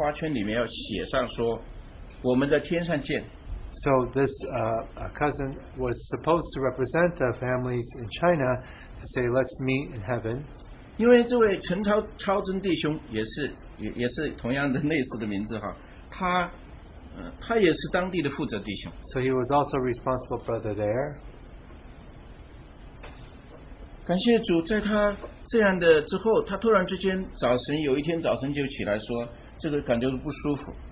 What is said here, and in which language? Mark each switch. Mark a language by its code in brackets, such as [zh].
[zh] 她说她的堂弟本来是就是代表她的家族来表达这个哀悼对陈弟兄。她说在那一个有一个信或者一个花圈里面要写上说我们在天上见。 [en] So this cousin was supposed to represent the families in China to say, let's meet in heaven. [zh] 因为这位陈超真弟兄也是同样的类似的名字哈，他也是当地的负责弟兄。 [en] So he was also responsible brother there. [zh] 感谢主，在他这样的之后，他突然之间早晨有一天早晨就起来说，这个感觉不舒服。